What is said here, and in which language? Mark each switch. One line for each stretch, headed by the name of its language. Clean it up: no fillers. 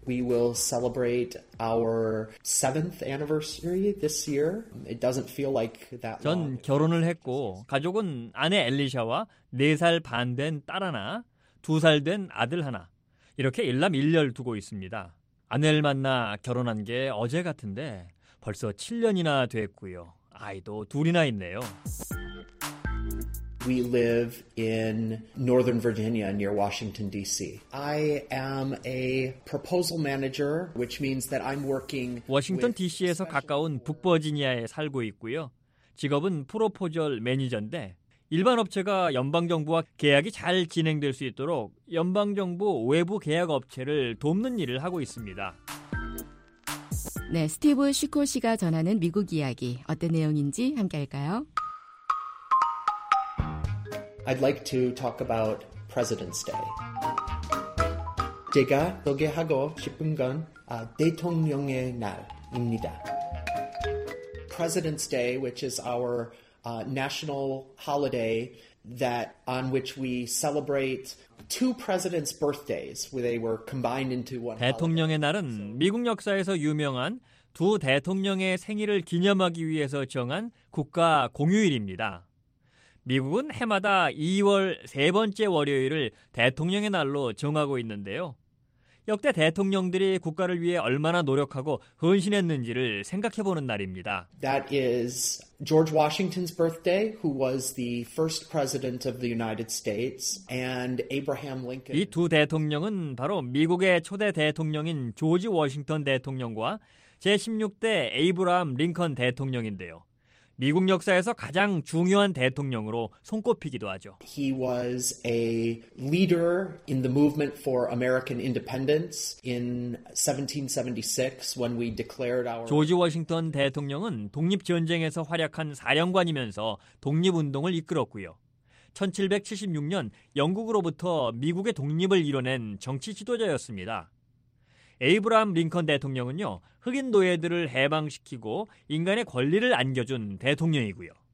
English: We will celebrate our 7th anniversary this year. It doesn't feel like that long.
Korean: 전 결혼을 했고 가족은 아내 엘리샤와 4살 반 된 딸 하나, 2살 된 아들 하나 이렇게 일남일녀를 두고 있습니다. 아내를 만나 결혼한 게 어제 같은데 벌써 7년이나 됐고요. 아이도 둘이나 있네요.
English: We live in Northern Virginia near Washington, D.C. I am a proposal manager, which means that I'm working with...
Korean: 워싱턴 D.C.에서 가까운 북버지니아에 살고 있고요. 직업은 프로포절 매니저인데 일반 업체가 연방정부와 계약이 잘 진행될 수 있도록 연방정부 외부 계약 업체를 돕는 일을 하고 있습니다. 네, 스티브 슈코 씨가 전하는 미국 이야기 어떤 내용인지 함께 할까요?
English: I'd like to talk about President's Day.
Korean: 제가 소개하고 싶은 건 대통령의 날입니다.
English: President's Day, which is our national holiday that on which we celebrate two presidents' birthdays, where they were combined into one.
Korean: 대통령의
English: holiday.
Korean: 날은 미국 역사에서 유명한 두 대통령의 생일을 기념하기 위해서 정한 국가 공휴일입니다. 미국은 해마다 2월 세 번째 월요일을 대통령의 날로 정하고 있는데요. 역대 대통령들이 국가를 위해 얼마나 노력하고 헌신했는지를 생각해보는 날입니다.
English: That is George Washington's birthday, who was the first president of the United States, and Abraham Lincoln.
Korean: 이 두 대통령은 바로 미국의 초대 대통령인 조지 워싱턴 대통령과 제16대 에이브라함 링컨 대통령인데요. 미국 역사에서 가장 중요한 대통령으로 손꼽히기도 하죠.
English: He was a leader in the movement for American independence in 1776 when we declared our
Korean: 조지 워싱턴 대통령은 독립 전쟁에서 활약한 사령관이면서 독립 운동을 이끌었고요. 1776년 영국으로부터 미국의 독립을 이뤄낸 정치 지도자였습니다. 에이브라함 링컨 대통령은요, 흑인 노예들을 해방시키고 인간의 권리를 안겨준 대통령이고요.